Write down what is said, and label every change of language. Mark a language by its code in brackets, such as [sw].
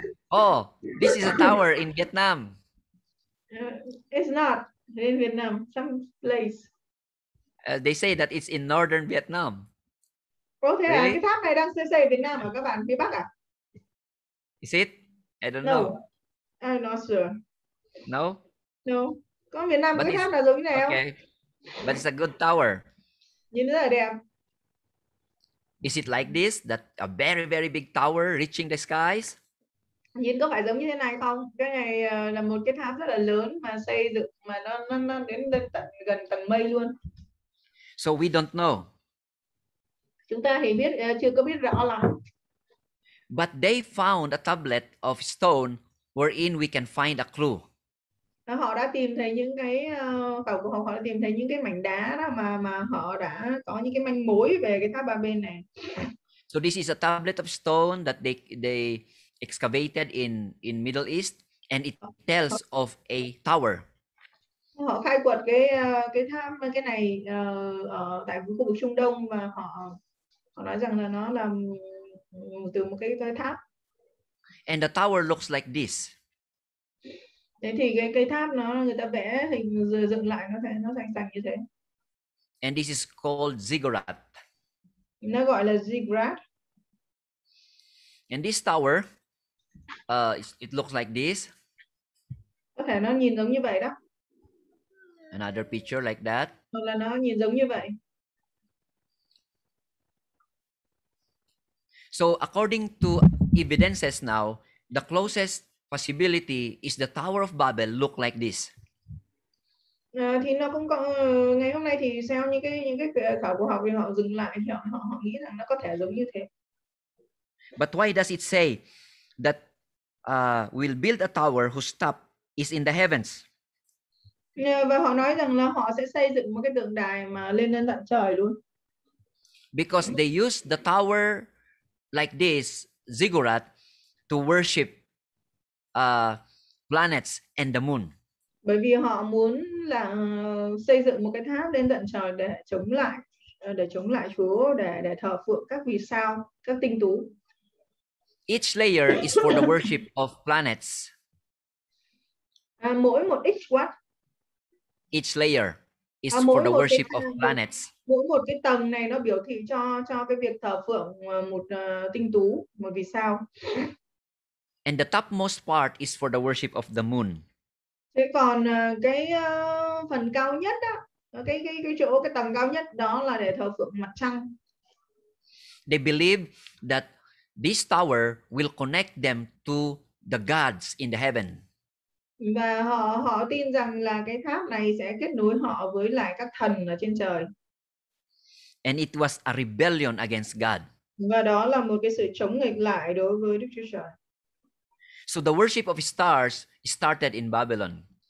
[en] Oh, this is a tower in Vietnam. It's not in Vietnam, some place. They say that it's in northern Vietnam. [vi] Có thể [en] really? [vi] À, cái tháp này đang xây xây Việt Nam ở các bạn phía Bắc à? [en] Is it? I don't no. know. No, I'm not sure. No? No. [vi] Có Việt Nam có cái tháp nào giống này [en] okay. [vi] không? [en] But it's a good tower. [vi] Nhìn rất là đẹp. [en] Is it like this, that a very, very big tower reaching the skies? [vi] Nhìn có phải giống như thế này không? Cái này là một cái tháp rất là lớn mà xây dựng, mà nó đến lên tận gần tầng mây luôn. [en] So we don't know. [vi] Chúng ta thì biết, chưa có biết rõ lắm. [en] But they found a tablet of stone wherein we can find a clue. [vi] Họ đã tìm thấy những cái khảo cổ học, họ đã tìm thấy những cái mảnh đá đó mà họ đã có những cái manh mối về cái tháp Babel này. [en] So this is a tablet of stone that they excavated in Middle East, and it tells of a tower. [vi] Họ khai quật cái tháp cái này ở tại khu vực Trung Đông và họ nói rằng là nó là từ một cái tháp. [en] And the tower looks like this. [vi] Thế thì cái tháp nó người ta vẽ hình dựng lại nó thành thành như thế. [en] And this is called ziggurat. [vi] Nó gọi là ziggurat. [en] And this tower, it looks like this. [vi] Có thể nó nhìn giống như vậy đó. [en] Another picture like that. [vi] Hoặc là nó nhìn giống như vậy. [en] So according to evidences now, the closest possibility is the Tower of Babel look like this. [vi] Thì nó cũng có ngày hôm nay thì sao những cái khảo cổ học thì họ dừng lại thì họ nghĩ rằng nó có thể giống như thế. [en] But why does it say that we'll build a tower whose top is in the heavens? [vi] Và họ nói rằng là họ sẽ xây dựng một cái tượng đài mà lên lên tận trời luôn. [en] Because they use the tower like this ziggurat to worship planets and the moon. [vi] Bởi vì họ muốn là xây dựng một cái tháp lên tận trời để chống lại Chúa để thờ phượng các vì sao, các tinh tú. [en] Each layer is for the worship of planets. [vi] Mỗi một [en] each what? Each layer is [vi] mỗi [en] for the worship of planets. [vi] Mỗi một cái tầng này nó biểu thị cho cái việc thờ phượng một tinh tú, một vì sao. [en] And the topmost part is for the worship of the moon. [vi] Thế còn cái phần cao nhất đó, cái tầng cao nhất đó là để thờ phượng mặt trăng. [en] They believe that this tower will connect them to the gods in the heaven. [vi] Và họ tin rằng là cái tháp này sẽ kết nối họ với lại các thần ở trên trời. [en] And it was a rebellion against God. [vi] Và đó là một cái sự chống nghịch lại đối với Đức Chúa Trời. [en] So the worship of stars started in Babylon.